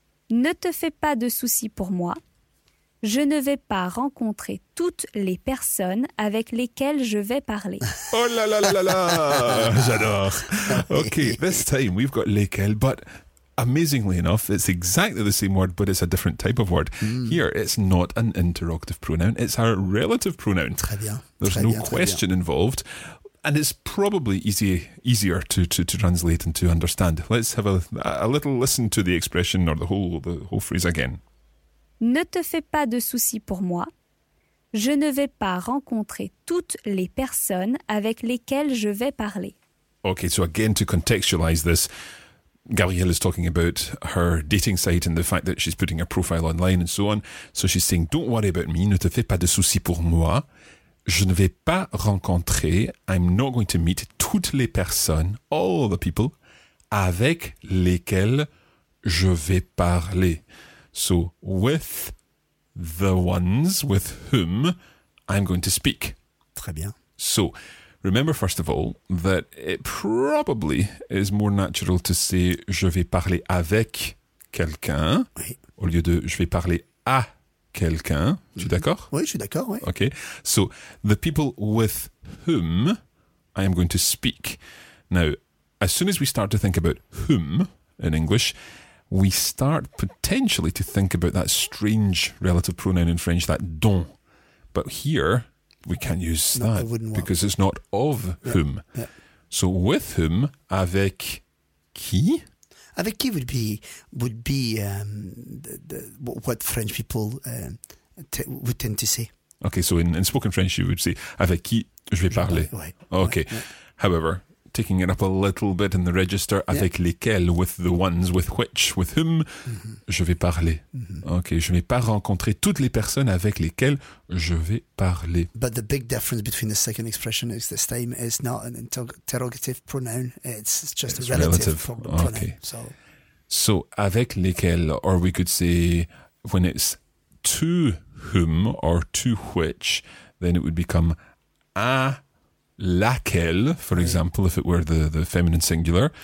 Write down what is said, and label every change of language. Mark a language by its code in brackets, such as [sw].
[fr] Ne te fais pas de soucis pour moi. Je ne vais pas rencontrer toutes les personnes avec lesquelles je vais parler. Oh là là là là là! J'adore! [en] Okay, this time we've got lesquelles, but amazingly enough, it's exactly the same word, but it's a different type of word. Mm. Here, it's not an interrogative pronoun. It's our relative pronoun. [fr] Très bien. [en] There's [fr] très [en] no [fr] bien, [en] question involved. And it's probably easier to translate and to understand. Let's have a little listen to the expression or the whole phrase again. [fr] Ne te fais pas de soucis pour moi. Je ne vais pas rencontrer toutes les personnes avec lesquelles je vais parler. [en] Okay, so again, to contextualize this, Gabrielle is talking about her dating site and the fact that she's putting her profile online and so on. So she's saying, don't worry about me. [fr] Ne te fais pas de soucis pour moi. Je ne vais pas rencontrer. [en] I'm not going to meet [fr] toutes les personnes, [en] all the people, [fr] avec lesquelles je vais parler. [en] So with the ones with whom I'm going to speak. [fr] Très bien. [en] So remember, first of all, that it probably is more natural to say [fr] je vais parler avec quelqu'un, oui, au lieu de je vais parler à quelqu'un. Mm-hmm. Tu es d'accord? Oui, je suis d'accord, oui. [en] Okay, so the people with whom I am going to speak. Now, as soon as we start to think about whom in English, we start potentially to think about that strange relative pronoun in French, that dont. But here, we can't use that because it's not of whom. Yeah, yeah. So with whom, [fr] avec qui? Avec qui [en] would be what French people would tend to say. Okay, so in spoken French you would say [fr] avec qui je vais parler. Ouais. [en] Okay, [fr] ouais, ouais. [en] However, taking it up a little bit in the register, [fr] avec lesquels, [en] with the ones, with which, with whom, [fr] je vais parler. Mm-hmm. Okay, je ne vais pas rencontrer toutes les personnes avec lesquelles je vais parler. [en] But the big difference between the second expression is this time is not an interrogative pronoun, it's just it's a relative pronoun. Okay. So [fr] avec lesquels, [en] or we could say when it's to whom or to which, then it would become [fr] à laquelle, [en] for example, if it were the feminine singular.